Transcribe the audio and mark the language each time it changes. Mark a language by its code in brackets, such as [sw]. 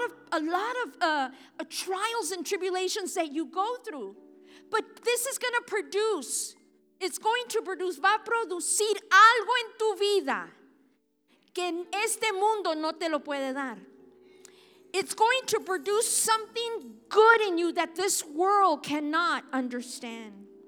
[en] A lot of trials and tribulations that you go through. But this is going to produce. It's going to produce. [es] Va a producir algo en tu vida que en este mundo no te lo puede dar. [en] It's going to produce something good in you that this world cannot understand.